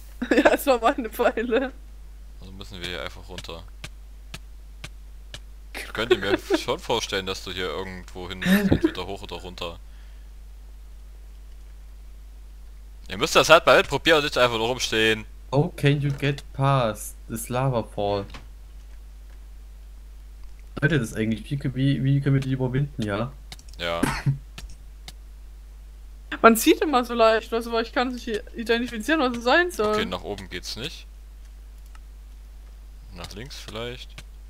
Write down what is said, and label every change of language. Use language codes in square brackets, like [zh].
[de] Ja, es war meine Pfeile. Also müssen wir hier einfach runter. Ich könnte mir schon vorstellen, dass du hier irgendwo hin, entweder hoch oder runter. Ihr müsst das halt mal probieren und nicht einfach nur rumstehen. [en] How can you get past this lava fall? [de] Leute, das eigentlich, wie können wir die überwinden, ja? Ja. Man sieht immer so leicht, also, aber ich kann sich identifizieren, was es sein soll. Okay, nach oben geht's nicht. Nach links vielleicht.